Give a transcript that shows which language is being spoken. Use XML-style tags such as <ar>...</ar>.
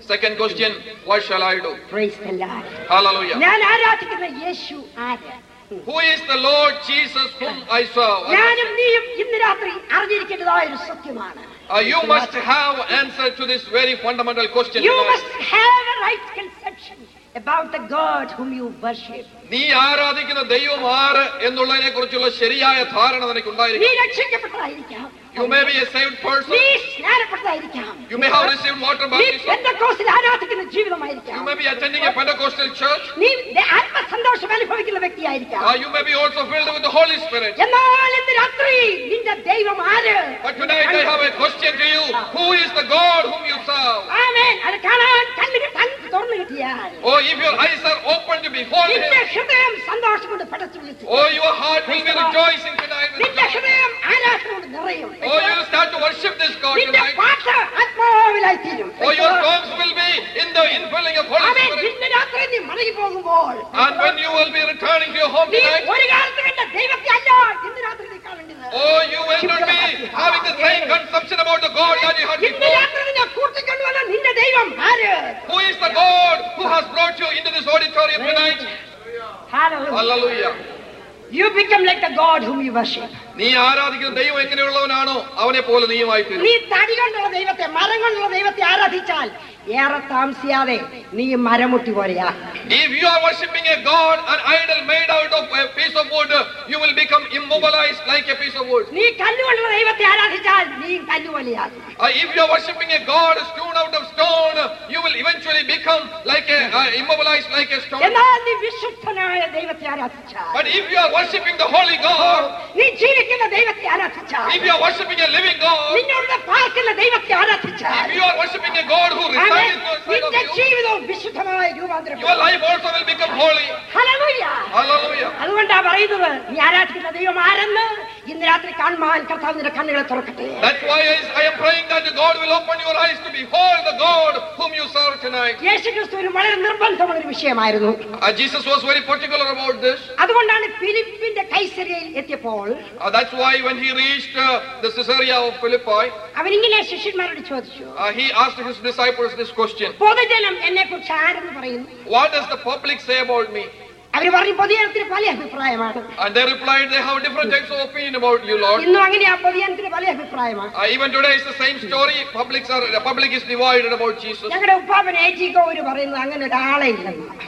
<en>Second question, what shall I do? Praise the Lord. Hallelujah.</en> <ml>ഞാൻ ആരാധിക്കുന്ന യേശു ആരാ?</ml> <en>Who is the Lord Jesus whom I serve?</en> <ml>ഞാനും നീയും ഇന്ന് രാത്രി അറിഞ്ഞിരിക്കേണ്ടതായ ഒരു സത്യമാണ്.</ml> <en>You must have answer to this very fundamental question. You must have a right conception. about the God whom you worship.</en> <ml>നീ ആരാധിക്കുന്ന ദൈവം ആർ എന്നുള്ളതിനെക്കുറിച്ചുള്ള ശരിയായ ധാരണ നിനക്ക് ഉണ്ടായിരിക്കണം. നീ രക്ഷിക്കപ്പെട്ടതായിരിക്കാം.</ml> <en>You may be a saved person.</en> <ml>നീ സ്നാനപ്പെട്ടതായിരിക്കാം.</ml> <en>You may have received water baptism.</en> <ml>നീ പെന്തക്കോസ്റ്റിൽ ആരാധിക്കുന്ന ജീവിതമായിരിക്കാം.</ml> <en>You may be attending a Pentecostal church.</en> <ml>നീ ആത്മസന്തോഷം അനുഭവിക്കുന്ന വ്യക്തിയായിരിക്കാം.</ml> <en>Or you may be also filled with the Holy Spirit.</en> <ml>എന്നാൽ ഇന്ന് രാത്രി നിന്റെ ദൈവം ആര്?</ml> <en>But tonight I have a question to you. Who is the God whom you serve?</en> <ml>ആമേൻ. അത് കാണാൻ കണ്ണുകൾ തുറന്നു കിട്ടിയാൽ.</ml> <en>Oh, if your eyes are opened before him.</en> <ml>നിന്റെ ഹൃദയം സന്തോഷം കൊണ്ട് പടച്ചു വിളിച്ചു.</ml> <en>Oh, your heart will be rejoicing tonight.</en> <ml>നിന്റെ ഹൃദയം ആരാധന കൊണ്ട് നിറയും.</ml> <en>Oh, you will start to worship this God tonight.</en> <ml>നിന്റെ പാട്ട് ആത്മാവിലായിത്തീരും.</ml> <en>Oh, your songs will be in the infilling of Holy Spirit.</en> <ml>ആമേൻ. നിന്റെ രാത്രി നീ മടങ്ങി പോകുമ്പോൾ.</ml> <en>And when you will be returning to your home tonight.</en> <ml>നീ ഒരു കാലത്തും എന്റെ ദൈവത്തെ അല്ല ഇന്നു രാത്രി നീ കാണേണ്ടത്.</ml> <en>Oh, you will not be having the same conception about the God that you had before.</en> <ml>ഇന്നു രാത്രി നീ കൂട്ടിക്കൊണ്ടുവന്ന നിന്റെ ദൈവം ആര്?</ml> <en>Who is the God who has brought you into this auditorium tonight? Hallelujah. Hallelujah. You become like the God whom you worship.</en> <ml>നീ ആരാധിക്കുന്ന ദൈവം എങ്ങനെയുള്ളവനാണോ അവനെ പോലെ നീയുമായി തീരും. നീ തടി കൊണ്ടുള്ള ദൈവത്തെ മരം കൊണ്ടുള്ള ദൈവത്തെ ആരാധിച്ചാൽ ഏറെ താമസിയാതെ നീ മരമുട്ടി പോലെയാ.</ml> <en>If you are worshiping a god an idol made out of a piece of wood you will become immobilized like a piece of wood.</en> <ml>നീ കല്ലുകൊണ്ടുള്ള ദൈവത്തെ ആരാധിച്ചാൽ നീ കല്ലുപോലെയാകും.</ml> <en>If you are worshiping a god hewn out of stone you will eventually become like a immobilized like a stone.</en> <ml>എന്നാൽ നീ വിശുദ്ധനായ ദൈവത്തെ ആരാധിച്ചാൽ.</ml> <en>But if you are worshiping the holy god</en> <ml>നീ ജീവിക്കുന്ന ദൈവത്തെ ആരാധിച്ചാൽ.</ml> <en>If you are worshiping a living god</en> <ml>നിന്നോട് പാർക്കുന്ന ദൈവത്തെ ആരാധിച്ചാൽ.</ml> <en>If you are worshiping a god who</en> <ml>നിന്റെ ജീവിതവും വിശുദ്ധമായ രൂപാന്തരം.</ml> <en>Your life also will become holy. Hallelujah. Hallelujah.</en> <ml>അതുകൊണ്ടാ പറയുന്നത് നീ ആരാധിക്കുന്ന ദൈവം ആരെന്ന് ഇന്ന് രാത്രി കാണുമ്പോൾ കർത്താവ് നിന്റെ കണ്ണുകളെ തുറക്കട്ടെ.</ml> <en>That's why I am praying that the God will open your eyes to behold the God whom you serve tonight.</en> <ml>യേശുക്രിസ്തുവിനെ വളരെ നിർബന്ധമുള്ള ഒരു വിഷയമായിരുന്നു.</ml> <en>Jesus was very particular about this.</en> <ml>അതുകൊണ്ടാണ് ഫിലിപ്പിന്റെ കൈസരിയയിൽ എത്തിയപ്പോൾ.</ml> <en>That's why when he reached the Caesarea of Philippi.</en> <ml>അവൻ ഇങ്ങനെ ശിഷ്യന്മാരോട് ചോദിച്ചു.</ml> <en>He asked his disciples this question.</en> <ml>പൊതുജനം എന്നെക്കുറിച്ച് ആരെന്ന് പറയുന്നു?</ml> <en>What does the public say about me?</en> <ml>അവര് പറഞ്ഞു പൊതുജനത്തിന് പല അഭിപ്രായമാണ്.</ml> <en>And they replied they have different types of opinion about you Lord.</en> <ml>ഇന്നും അങ്ങനെയാ പൊതുജനത്തിന് പല അഭിപ്രായമാണ്.</ml> <en>Even today is the same story. Public is divided about Jesus.</en> <ml>ഞങ്ങളുടെ ഉപ്പാപ്പൻ എജി കോവൂർ പറയുന്നു അങ്ങനെ ഒരാളേ ഇല്ലെന്ന്.</ml>